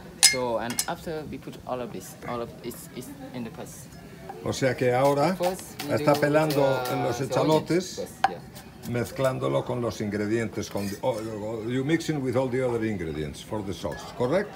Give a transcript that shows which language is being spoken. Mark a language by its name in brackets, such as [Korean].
[English] So and after we put all of this, it's in the pot. [Spanish] O sea que ahora está pelando en los echalotes, mezclándolo con los ingredientes. [English] You mixing with all the other ingredients for the sauce, correct?